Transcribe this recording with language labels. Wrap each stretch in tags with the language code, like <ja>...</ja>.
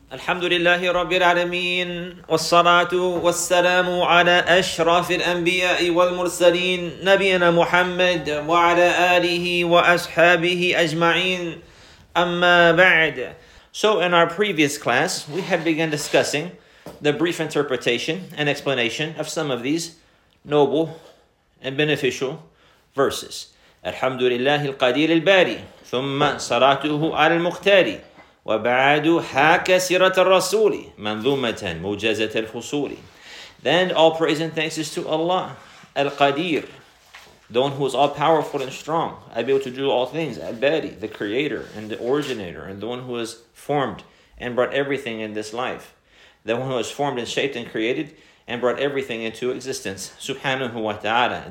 <ar>الحمد لله رب العالمين والصلاة والسلام على أشرف الأنبياء والمرسلين نبينا محمد وعلى آله وأصحابه أجمعين أما بعد.</ar> <en>So in our previous class, we had begun discussing the brief interpretation and explanation of some of these noble and beneficial verses.</en> <ar>الحمد لله القدير الباري ثم صلاته على المختاري وبعد حاك سيرة الرسول منظومة موجزة الفصول.</ar> <en>Then all praise and thanks is to Allah, Al-Qadir, the one who is all powerful and strong, able to do all things, Al-Bari, the creator and the originator, and the one who has formed and brought everything in this life, the one who has formed and shaped and created and brought everything into existence, Subhanahu wa ta'ala.</en>